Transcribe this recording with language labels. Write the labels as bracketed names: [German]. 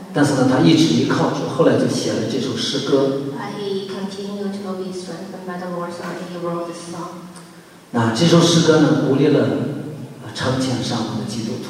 [Chinese] 但是呢，他一直依靠主，后来就写了这首诗歌。 [English] He continued to be strengthened by the Lord, so he wrote this song. [Chinese] 那这首诗歌呢，鼓励了成千上万的基督徒。